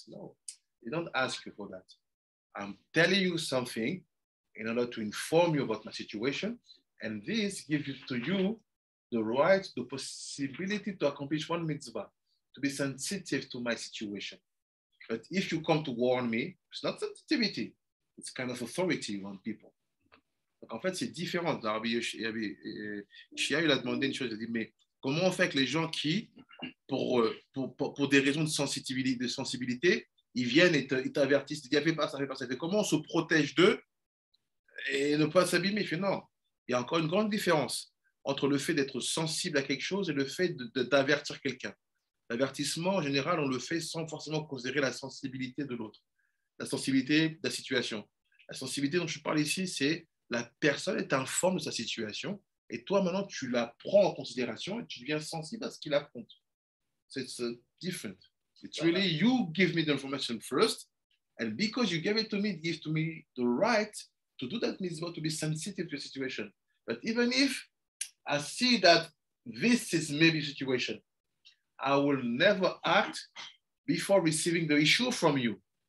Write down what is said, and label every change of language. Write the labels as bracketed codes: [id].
[en] No, they don't ask you for that. I'm telling you something in order to inform you about my situation. And this gives to you the right, the possibility to accomplish one mitzvah, to be sensitive to my situation. But if you come to warn me, it's not sensitivity, it's kind of authority on people. [fr] Donc en fait, c'est différent. Chia, il a demandé une chose, il a dit, mais comment on fait avec les gens qui, pour des raisons de sensibilité, ils viennent et t'avertissent, ils disent, fais pas ça. Comment on se protège d'eux et ne pas s'abîmer? Il fait, non. Il y a encore une grande différence entre le fait d'être sensible à quelque chose et le fait d'avertir quelqu'un. L'avertissement, en général, on le fait sans forcément considérer la sensibilité de l'autre, la sensibilité de la situation. La sensibilité dont je parle ici, c'est la personne est informe de sa situation et toi, maintenant, tu la prends en considération et tu deviens sensible à ce qu'il affronte. [en] So it's different. It's really you give me the information first, and because you gave it to me, it gives to me the right to do that. Means about to be sensitive to your situation. But even if I see that this is maybe situation, I will never act before receiving the issue from you.